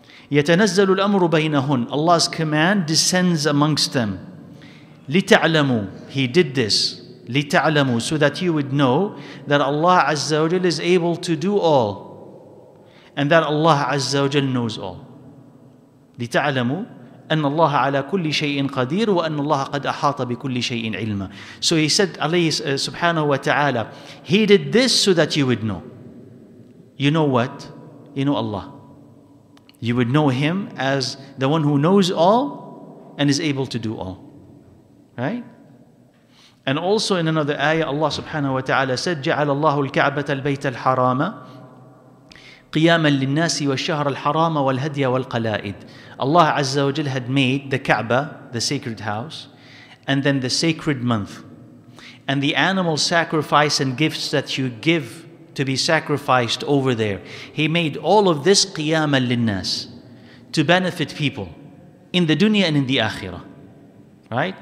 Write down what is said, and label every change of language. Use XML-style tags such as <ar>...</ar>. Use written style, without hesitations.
<ar>يتنزل الأمر بينهن,</ar> <en>Allah's command descends amongst them. لتعلموا, He did this. لتعلموا, so that you would know that Allah Azza wa Jal is able to do all and that Allah Azza wa Jal knows all.</en> <ar>لتعلموا أن الله على كل شيء قدير وأن الله قد أحاط بكل شيء علما.</ar> <en>So he said, عليه سبحانه وتعالى, he did this so that you would know. You know what? You know Allah. You would know Him as the one who knows all and is able to do all. Right? And also in another ayah, Allah سبحانه وتعالى said,</en> <ar>جعل الله الكعبة البيت الحرام قياما للناس والشهر الحرام والهدي والقلائد.</ar> <en>Allah Azza wa Jal had made the Kaaba, the sacred house, and then the sacred month. And the animal sacrifice and gifts that you give to be sacrificed over there. He made all of this qiyaman linnas, to benefit people in the dunya and in the akhirah. Right?</en>